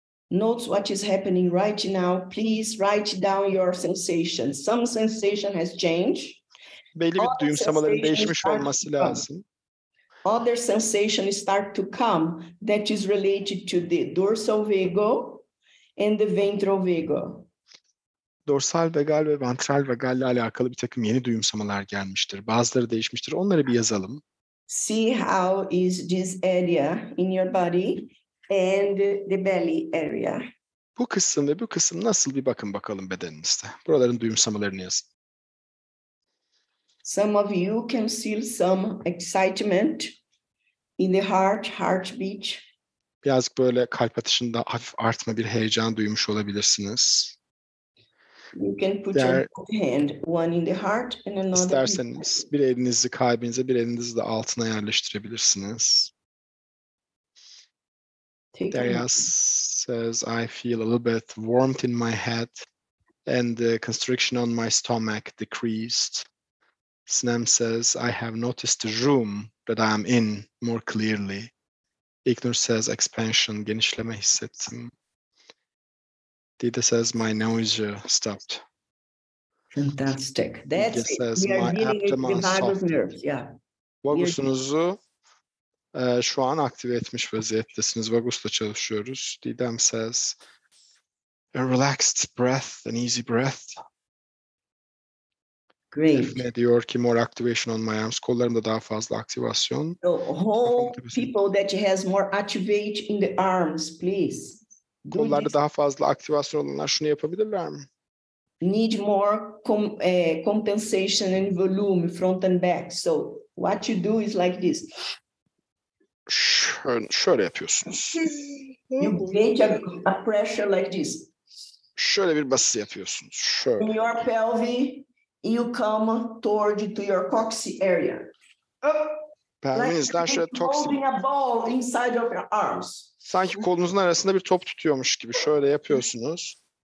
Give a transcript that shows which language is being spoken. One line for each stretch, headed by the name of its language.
English: Notes what is happening right now. Please write down your sensations. Some sensation has changed.
Turkish: Belli bir duyumsamaların değişmiş olması lazım.
English: Other sensation start to come that is related to the dorsal vago and the ventral vago.
Turkish: dorsal vagal ve ventral vagal ile alakalı bir takım yeni duyumsamalar gelmiştir. Bazıları değişmiştir. Onları bir yazalım.
English: See how is this area in your body and the belly area.
Turkish: Bu kısım ve bu kısım nasıl, bir bakın bakalım bedeninizde. Buraların duyumsamalarını yazın.
English: Some of you can feel some excitement in the heart, heartbeat.
Turkish: Birazcık böyle kalp atışında hafif artma, bir heyecan duymuş olabilirsiniz.
English: You can put your hand, one in the heart and another.
Turkish: İsterseniz bir elinizi kalbinize, bir elinizi de altına yerleştirebilirsiniz.
English: Derya says, I feel a little bit warmth in my head and the constriction on my stomach decreased. Sinem says, I have noticed the room that I am in more clearly. İknur says, expansion,
Turkish: genişleme hissettim.
English: Dida says, my nausea stopped. Fantastic. That's says, it. We are dealing with the vagus nerves. Yeah.
Turkish: Vagusunuzu şu an aktive etmiş vaziyettesiniz. Vagus'la çalışıyoruz.
English: Didem says, a relaxed breath, an easy breath. Great.
Turkish: Diyor ki,
English: more activation on my arms.
Turkish: Kollarımda daha fazla aktivasyon.
English: The whole people that has more activate in the arms, please.
Turkish: Kollarda daha fazla aktivasyon olanlar şunu yapabilirler mi?
English: Need more compensation and volume, front and back. So what you do is like this.
Turkish: Şöyle yapıyorsunuz.
English: You create a pressure like this.
Turkish: Şöyle bir bası yapıyorsunuz. Şöyle.
English: In your pelvis, you come toward to your coccyx area.
Turkish: Pelvinizden
English: like holding a ball inside of your arms.
Turkish: Sanki kolunuzun arasında bir top tutuyormuş gibi şöyle yapıyorsunuz.